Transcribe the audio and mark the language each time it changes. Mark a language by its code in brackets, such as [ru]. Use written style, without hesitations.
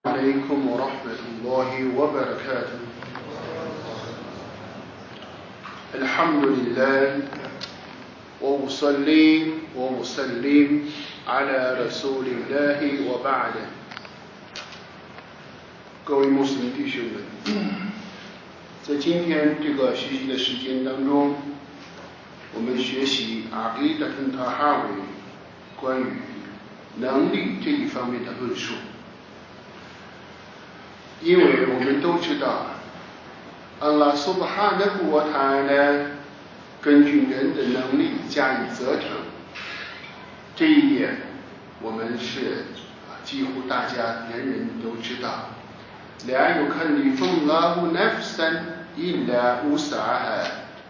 [ar] عليكم ورحمة الله وبركاته. الحمد لله وأصلي وأسلم على رسول الله وبعده. قوي مسلم دي شغل. [zh] 在今天这个学习的时间当中，我们学习阿基德跟塔哈维关于能力这一方面的论述，因为我们都知道，阿拉苏巴哈纳胡瓦塔呢，根据人的能力加以责成，这一点我们是几乎大家人人都知道。 [ar] لا يكلف الله نفسا إلا وسعها.